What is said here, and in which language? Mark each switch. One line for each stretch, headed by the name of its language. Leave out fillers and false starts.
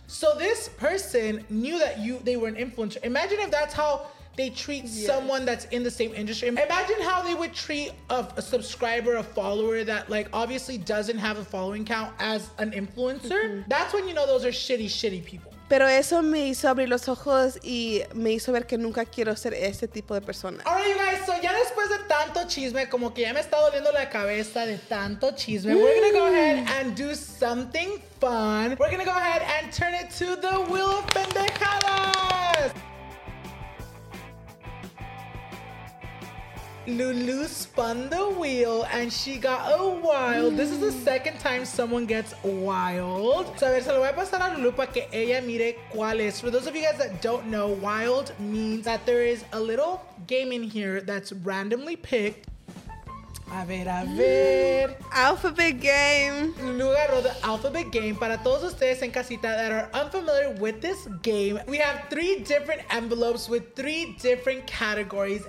English: So this person knew that they were an influencer. Imagine if that's how they treat someone that's in the same industry. Imagine how they would treat a subscriber, a follower that, like, obviously doesn't have a following count as an influencer. Mm-hmm. That's when you know those are shitty, shitty people.
Spanish: Pero eso me hizo abrir los ojos y me hizo ver que nunca quiero ser ese tipo de persona.
English: All right, you guys, so
Spanish: ya después de tanto chisme, como que ya me está doliendo la cabeza de tanto chisme.
English: We're gonna go ahead and do something fun. We're gonna go ahead and turn it to the Wheel of Pendejadas. Lulu spun the wheel and she got a wild. This is the second time someone gets wild.
Spanish: So, a ver, se lo voy a pasar a Lulu para que ella mire cuál es.
English: For those of you guys that don't know, wild means that there is a little game in here that's randomly picked.
Spanish: A ver, a ver.
English: Alphabet game.
Spanish: Lulu agarró
English: the alphabet game.
Spanish: Para todos ustedes en casita
English: that are unfamiliar with this game, we have three different envelopes with three different categories.